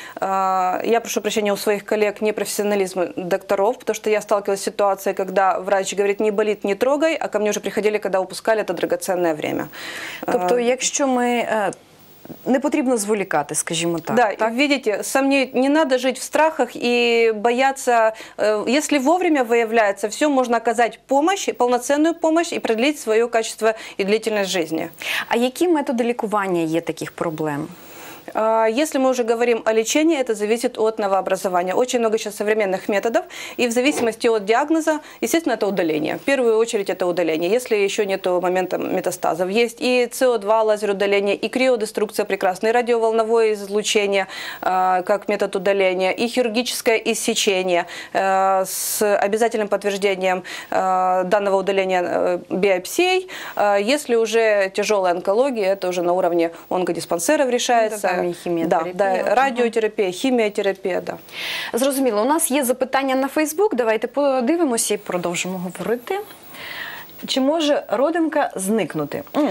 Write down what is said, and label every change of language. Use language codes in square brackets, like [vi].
[ru] Я прошу прощения у своих коллег непрофессионализм докторов, потому что я сталкивалась с ситуацией, когда врач говорит, не болит, не трогай, а ко мне уже приходили, когда упускали это драгоценное время. [uk] Тобто, якщо ми... Не потрібно зволікати, скажімо так. [ru] Да, [uk] так? [ru] Видите, не надо жить в страхах и бояться. Если вовремя выявляется, все, можно оказать помощь, полноценную помощь и продлить свое качество и длительность жизни. А які методи лікування є таких проблем? Если мы уже говорим о лечении, это зависит от новообразования. Очень много сейчас современных методов, и в зависимости от диагноза, естественно, это удаление. В первую очередь это удаление, если еще нет момента метастазов. Есть и СО2 лазер удаления, и криодеструкция прекрасная, и радиоволновое излучение как метод удаления, и хирургическое иссечение с обязательным подтверждением данного удаления биопсией. Если уже тяжелая онкология, это уже на уровне онкодиспансеров решается. [uk] Радіотерапія, хіміотерапія, да. Зрозуміло, у нас є запитання на Фейсбук, давайте подивимося і продовжимо говорити. Чи може родимка зникнути?